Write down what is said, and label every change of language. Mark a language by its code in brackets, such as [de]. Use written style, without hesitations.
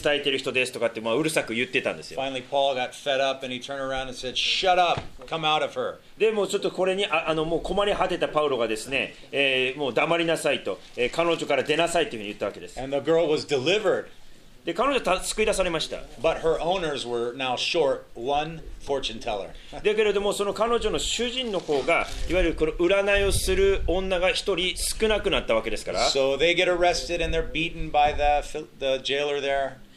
[ja] そしてパウロに悪い霊に疲れた女たちがですね、女がやってきてですね、そしてイエス・キリストを述べ伝えている人ですとかって、うるさく言ってたんですよ。 [en] Finally, Paul got fed up and he turned around and said, shut up, come out of her. [ja] でもちょっとこれに困り果てたパウロがですね、もう黙りなさいと、彼女から出なさいというふうに言ったわけです。 [en] And the girl was delivered. [ja] で、彼女は救い出されました。 [en] But her owners were now short one fortune teller. [ja] だけれども、その彼女の主人の方が、いわゆる占いをする女が一人少なくなったわけですから。 [en] So they get arrested and they're beaten by the jailer there.